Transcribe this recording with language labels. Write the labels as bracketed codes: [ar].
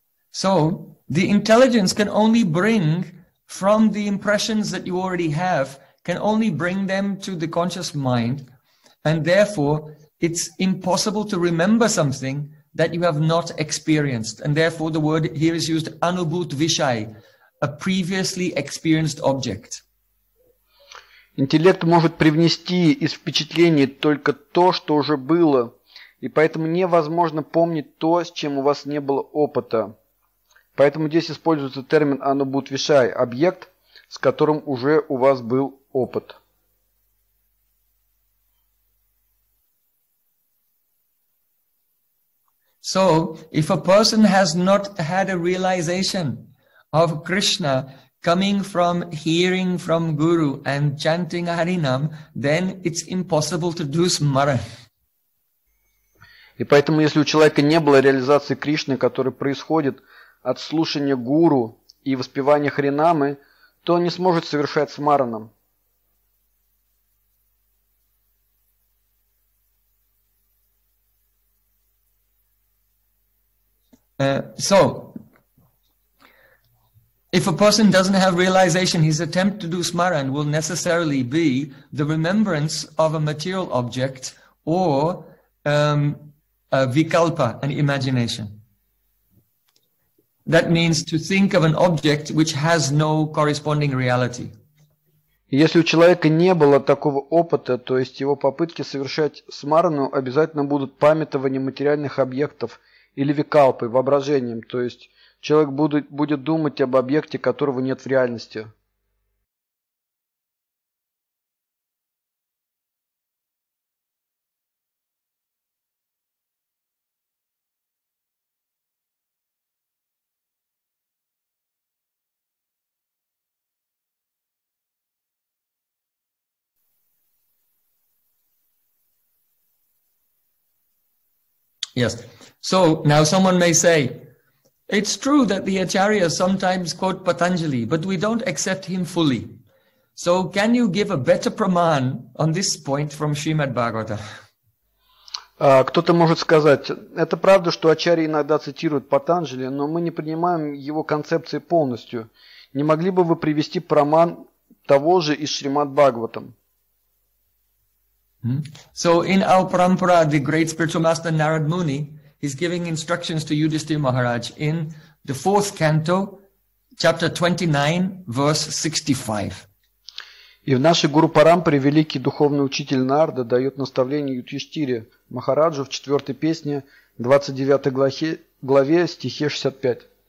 [en] So the intelligence can only bring from the impressions that you already have, can only bring them to the conscious mind, and therefore it's impossible to remember something that you have not experienced. And therefore the word here is used anubhut vishay, a previously experienced object. [ru] Интеллект может привнести из впечатлений только то, что уже было, и поэтому невозможно помнить то, с чем у вас не было опыта. Поэтому здесь используется термин «анубут вишай» – объект, с которым уже у вас был опыт. [en] So, if a person has not had a realization of Krishna coming from hearing from Guru and chanting Harinam, then it's impossible to do smara. [ru] И поэтому, если у человека не было реализации Кришны, которая происходит от слушания гуру и воспевания харинамы, то он не сможет совершать смаранам. [en] So, if a person doesn't have realization, his attempt to do smaran will necessarily be the remembrance of a material object or a vikalpa, an imagination. That means to think of an object which has no corresponding reality. [ru] Если у человека не было такого опыта, то есть его попытки совершать смарану обязательно будут памятованием материальных объектов или викалпой, воображением, то есть человек будет думать об объекте, которого нет в реальности. [en] Yes. So now someone may say, it's true that the acharyas sometimes quote Patanjali, but we don't accept him fully. So can you give a better praman on this point from Srimad Bhagavata? [ru] Кто-то может сказать, это правда, что ачарьи иногда цитируют Патанджали, но мы не принимаем его концепции полностью. Не могли бы вы привести праман того же из Шримад Бхагаватам? [en] So in our parampara, the great spiritual master Narad Muni is giving instructions to Yudhisthira Maharaj in the fourth canto, chapter 29, verse 65. [ru] И в нашей гуру парампаре великий духовный учитель Нарда дает наставление Юдхиштире Махараджу в четвертой песне, 29 главе, стихе 65.